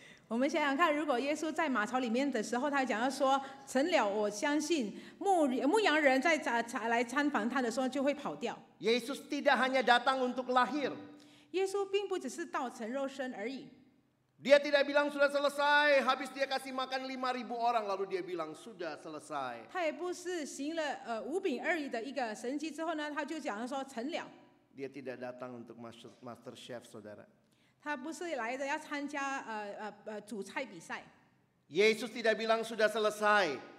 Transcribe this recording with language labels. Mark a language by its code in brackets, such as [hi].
[zh] 我们想想看，如果耶稣在马槽里面的时候，他讲到说成了，我相信牧羊人在来参访他的时候就会跑掉。 [id] Yesus tidak hanya datang untuk lahir. [zh] Yesus 并不只是道成肉身而已。 [id] Dia tidak bilang sudah selesai, habis dia kasih makan 5.000 orang lalu dia bilang sudah selesai. [zh] 他也不是行了五饼二鱼的一个神迹之后呢，他就讲说成了。 [id] Dia tidak datang untuk master chef, saudara. [zh] 他不是来的要参加主菜比赛。 [id] Yesus tidak bilang sudah selesai.